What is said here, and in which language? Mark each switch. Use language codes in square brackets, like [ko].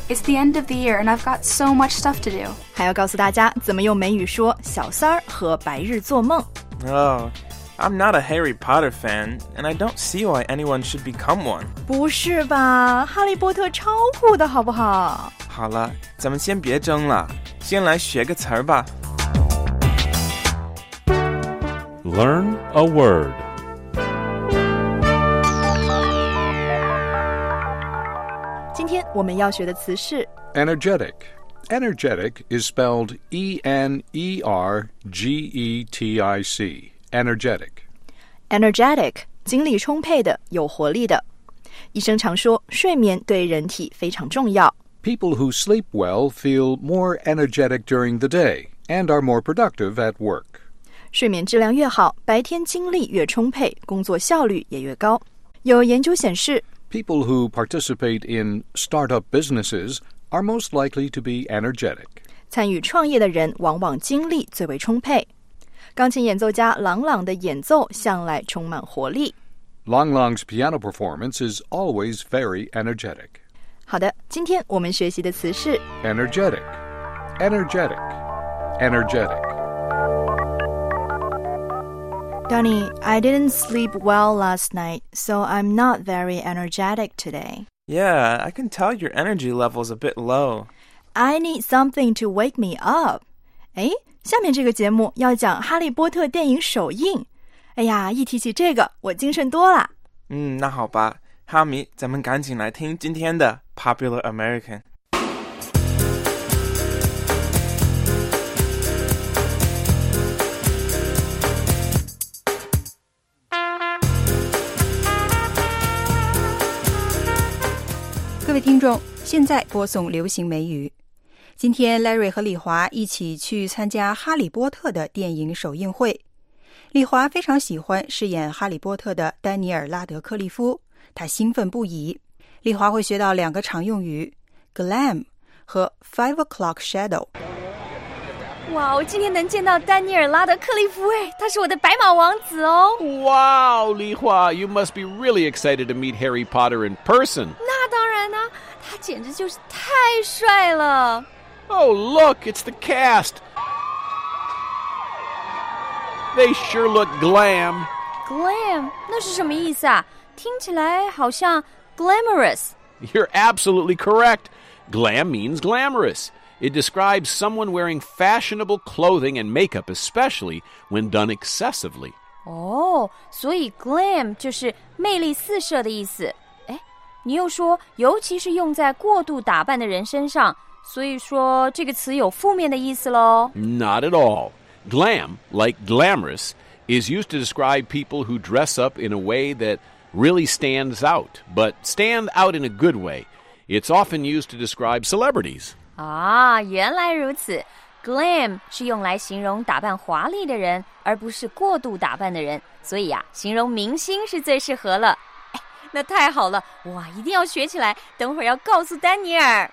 [en] It's the end of the year and I've got so much stuff to do. [zh] 还要告诉大家怎么用美语说小三儿和白日做梦。 [en] Oh, I'm not a Harry Potter fan and I don't see why anyone should become one. [zh] 不是吧，哈利波特超酷的好不好？好了，咱们先别争了，先来学个词儿吧。 [en] Learn a word. [zh] 今天我们要学的词是 [en] energetic. Energetic is spelled E-N-E-R-G-E-T-I-C. Energetic. [zh] Energetic, 精力充沛的，有活力的。医生常说，睡眠对人体非常重要。 [en] People who sleep well feel more energetic during the day and are more productive at work. [zh] 睡眠质量越好，白天精力越充沛，工作效率也越高。有研究显示， [en] People who participate in startup businesses are most likely to be energetic. [zh] 参与创业的人往往精力最为充沛。钢琴演奏家朗朗的演奏向来充满活力。 [en] 朗朗's piano performance is always very energetic. [zh] 好的，今天我们学习的词是 [en] energetic, energetic, energetic. Danny, I didn't sleep well last night, so I'm not very energetic today. Yeah, I can tell your energy level's a bit low. I need something to wake me up. [zh] 诶，下面这个节目要讲哈利波特电影首映。哎呀，一提起这个，我精神多了。嗯，那好吧，哈迷，咱们赶紧来听今天的 Popular American。各位听众，现在播送流行美语。今天 Larry 和李华一起去参加哈利波特的电影首映会。李华非常喜欢饰演哈利波特的丹尼尔·拉德克利夫，他兴奋不已。李华会学到两个常用语 glam 和 5 o'clock shadow。哇，我今天能见到丹尼尔·拉德克利夫，哎，他是我的白马王子哦。 [en] 哇，李华， you must be really excited to meet Harry Potter in person。 [zh] 他简直就是太帅了。 [en] Oh look, it's the cast. They sure look glam. [zh] Glam? 那是什么意思啊？听起来好像 glamorous. [en] You're absolutely correct. Glam means glamorous. It describes someone wearing fashionable clothing and makeup, especially when done excessively. [zh] Oh, 所以 glam 就是魅力四射的意思。你又说，尤其是用在过度打扮的人身上，所以说这个词有负面的意思咯。 [en] Not at all. Glam, like glamorous, is used to describe people who dress up in a way that really stands out, but stand out in a good way. It's often used to describe celebrities. [zh] 啊，原来如此。 Glam 是用来形容打扮华丽的人，而不是过度打扮的人。所以啊，形容明星是最适合了。那太好了，哇，一定要学起来，等会儿要告诉丹尼尔。